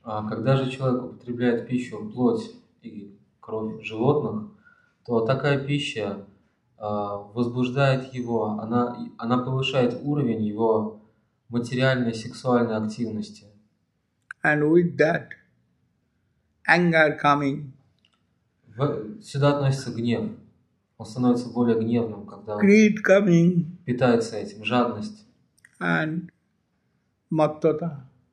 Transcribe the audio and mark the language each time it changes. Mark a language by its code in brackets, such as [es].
[ru] Когда же человек употребляет пищу, плоть и кровь животных, то такая пища возбуждает его, она повышает уровень его материальной сексуальной активности. [en] And with that, anger coming. [ru] Сюда относится гнев. Он становится более гневным, когда [en] greed coming, [ru] питается этим, жадность. [en] And маттата.